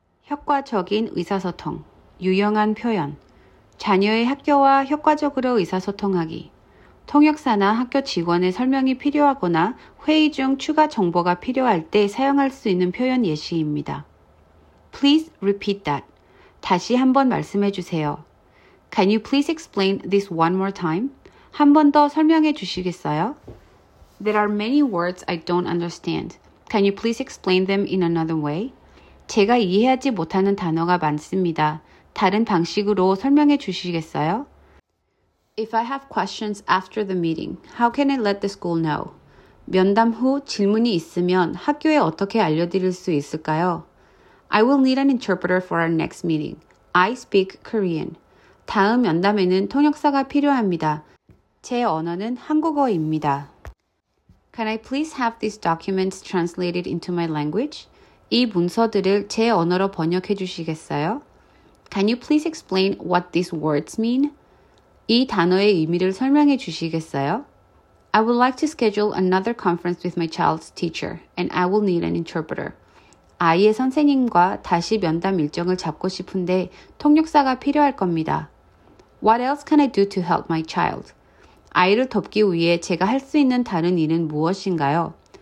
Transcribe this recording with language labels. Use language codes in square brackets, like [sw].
[ko] 효과적인 의사소통, 유용한 표현, 자녀의 학교와 효과적으로 의사소통하기, 통역사나 학교 직원의 설명이 필요하거나 회의 중 추가 정보가 필요할 때 사용할 수 있는 표현 예시입니다. [en] Please repeat that. [ko] 다시 한번 말씀해 주세요. [en] Can you please explain this one more time? [ko] 한 번 더 설명해 주시겠어요? [en] There are many words I don't understand. Can you please explain them in another way? [ko] 제가 이해하지 못하는 단어가 많습니다. 다른 방식으로 설명해 주시겠어요? [en] If I have questions after the meeting, how can I let the school know? [ko] 면담 후 질문이 있으면 학교에 어떻게 알려드릴 수 있을까요? [en] I will need an interpreter for our next meeting. I speak Korean. [ko] 다음 면담에는 통역사가 필요합니다. 제 언어는 한국어입니다. [en] Can I please have these documents translated into my language? [ko] 이 문서들을 제 언어로 번역해 주시겠어요? [en] Can you please explain what these words mean? [ko] 이 단어의 의미를 설명해 주시겠어요? [en] I would like to schedule another conference with my child's teacher, and I will need an interpreter. [ko] 아이의 선생님과 다시 면담 일정을 잡고 싶은데 통역사가 필요할 겁니다. [en] What else can I do to help my child? [ko] 아이를 돕기 위해 제가 할 수 있는 다른 일은 무엇인가요?